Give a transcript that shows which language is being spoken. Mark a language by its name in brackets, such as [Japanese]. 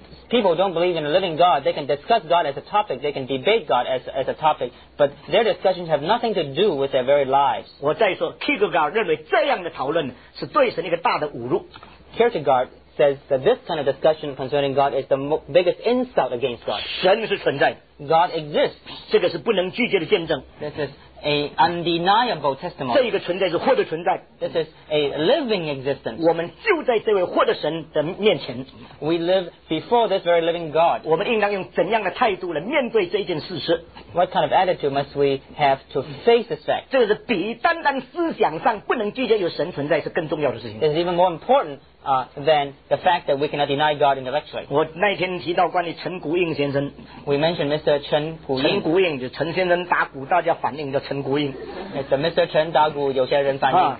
[English] People don't believe in a living God. They can discuss God as a topic. They can debate God as a topic. But their discussions have nothing to do with their very lives. [Chinese] 我再说 Kierkegaard 认为这样的讨论是对神一个大的侮辱。 [English] Kierkegaard says that this kind of discussion concerning God is the biggest insult against God. [Chinese] 神是存在。 [English] God exists. [Chinese] 这个是不能拒绝的见证。 [English] This is an undeniable testimony. [Chinese] 这一个存在是活的存在。 [English] This is a living existence. [Chinese] 我们就在这位活的神的面前。 [English] We live before this very living God. [Chinese] 我们应当用怎样的态度来面对这件事实？ [English] What kind of attitude must we have to face this fact? [Chinese] 这是比单单思想上不能拒绝有神存在是更重要的事情。 [English] It is even more important, than the fact that we cannot deny God intellectually. [Chinese] 我那天提到关于陈谷应先生。 [English] We mentioned Mr. Chen Gu Ying. [Chinese] 陈谷应就陈先生打鼓，大家反应叫陈谷应。 [English] Mr. [Chinese] Chen 打鼓，有些人反应。